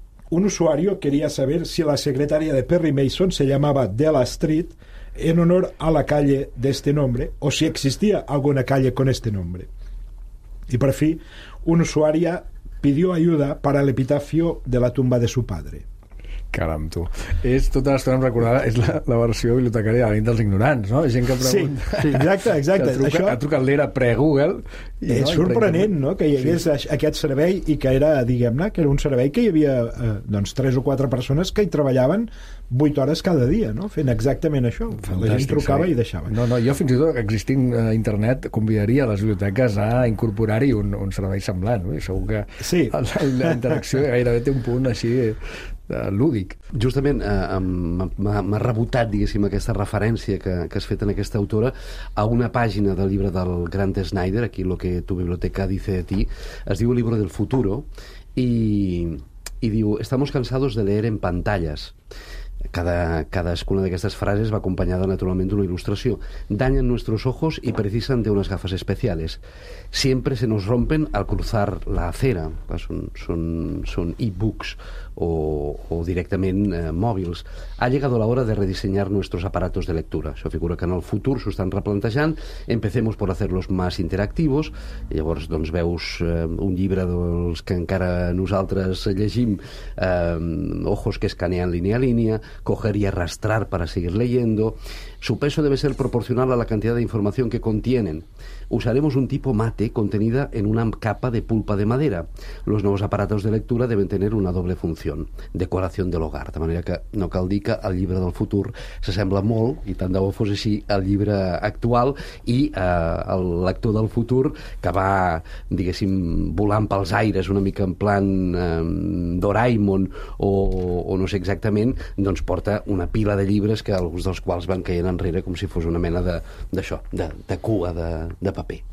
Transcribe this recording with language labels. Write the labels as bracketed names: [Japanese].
[Spanish] Un usuario quería saber si la secretaria de Perry Mason se llamaba Della Street en honor a la calle de este nombre, o si existía alguna calle con este nombre. Y por fin, un usuario pidió ayuda para el epitafio de la tumba de su padre. [Catalan] Caram, tu. És tota l'estona, em recordava, és la versió bibliotecària de la nit dels ignorants, no? Gent que pregunta... Sí, exacte. Que truca, això... Ha trucat l'era pre-Google. És sorprenent, no?, que hi hagués aquest servei i que era, diguem-ne, que era un servei que hi havia, doncs, tres o quatre persones que hi treballaven 8 hores cada dia, no?, fent exactament això. Fantàstic, la gent trucava, sí, i deixava. No, jo fins i tot, existint a internet, convidaria les biblioteques a incorporar-hi un servei semblant, no? I segur que sí, la interacció gairebé té un punt així... lúdic. Justament m'ha rebotat, diguéssim, aquesta referència que has fet en aquesta autora a una pàgina del llibre del Grant Snyder, [Spanish] aquí lo que tu biblioteca dice de ti, [Catalan] es diu El libro del futuro, i diu: [Spanish] estamos cansados de leer en pantallas. [Catalan] Cadascuna d'aquestes frases va acompanyada naturalment d'una il·lustració. [Spanish] Dañan nuestros ojos y precisan de unas gafas especiales. Siempre se nos rompen al cruzar la acera. [Catalan] Són e-books o directament mòbils. [Spanish] Ha llegado la hora de redisenyar nuestros aparatos de lectura. [Catalan] Això figura que en el futur s'ho estan replantejant. [Spanish] Empecemos por hacerlos más interactivos. [Catalan] Llavors, doncs, veus un llibre dels que encara nosaltres llegim, [Spanish] ojos que escanean [Catalan] línia a línia, [Spanish] coger y arrastrar para seguir leyendo. Su peso debe ser proporcional a la cantidad de información que contienen. Usaremos un tipo mate contenida en una capa de pulpa de madera. Los nuevos aparatos de lectura deben tener una doble función: decoración del hogar. [Catalan] De manera que no cal dir que el llibre del futur s'assembla molt, i tant de bo fos així, al llibre actual, i el lector del futur que va, diguéssim, volant pels aires, una mica en plan Doraemon o no sé exactament, doncs porta una pila de llibres que alguns dels quals van caient enrere com si fos una mena de cua de paper.